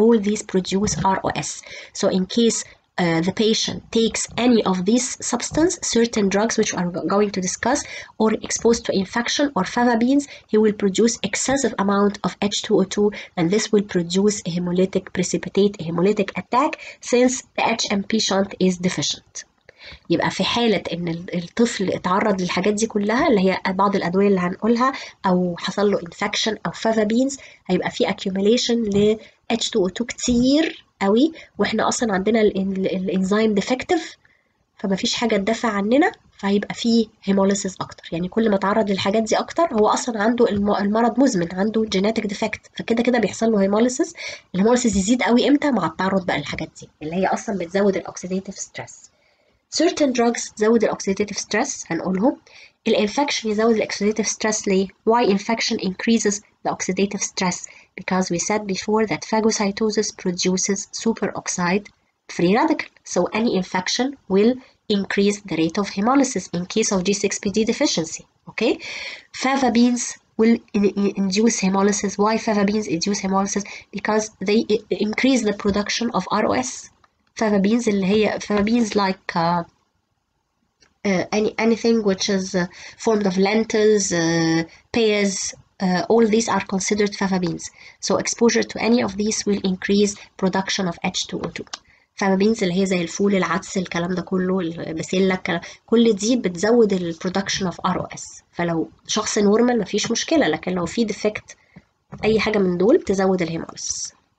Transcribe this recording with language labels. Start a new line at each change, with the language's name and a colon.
English: All these produce ROS. So in case the patient takes any of these substances, certain drugs which we are going to discuss, or exposed to infection or fava beans, he will produce excessive amount of H2O2, and this will produce a hemolytic precipitate, a hemolytic attack, since the HMP shunt is deficient.
Arabic: يبقى في حالة ان الطفل اتعرض للحاجات دي كلها اللي هي بعض الادوية اللي هنقولها، او حصل له infection او fava beans، هيبقى في accumulation ل H2O2 كتير قوي، واحنا اصلا عندنا الانزيم ديفكتيف، فما فيش حاجه تدافع عننا، فهيبقى فيه هيموليسيس اكتر. يعني كل ما اتعرض للحاجات دي اكتر، هو اصلا عنده المرض مزمن، عنده جيناتيك ديفكت، فكده كده بيحصل له هيموليسيس. الهيموليسيس يزيد قوي امتى؟ مع التعرض بقى للحاجات دي اللي هي اصلا بتزود الاوكسيديتيف ستريس.
English: certain drugs
Arabic: تزود الاوكسيديتيف ستريس، هنقولهم الانفكشن يزود الاوكسيديتيف ستريس. ليه؟
English: why infection increases the oxidative stress, because we said before that phagocytosis produces superoxide free radical. So any infection will increase the rate of hemolysis in case of G6PD deficiency. Okay, fava beans will induce hemolysis. Why fava beans induce hemolysis? Because they increase the production of ROS. Fava beans, اللي هي fava beans like anything which is formed of lentils, pears, all these are considered fava beans. So exposure to any of these will increase production of H2O2.
Arabic: فما بينز اللي هي زي الفول، العدس، الكلام ده كله، البسيلة، كل دي بتزود الـ
English: production of ROS.
Arabic: فلو شخص نورمال مفيش مشكلة، لكن لو في defect أي حاجة من دول بتزود الهيمولس.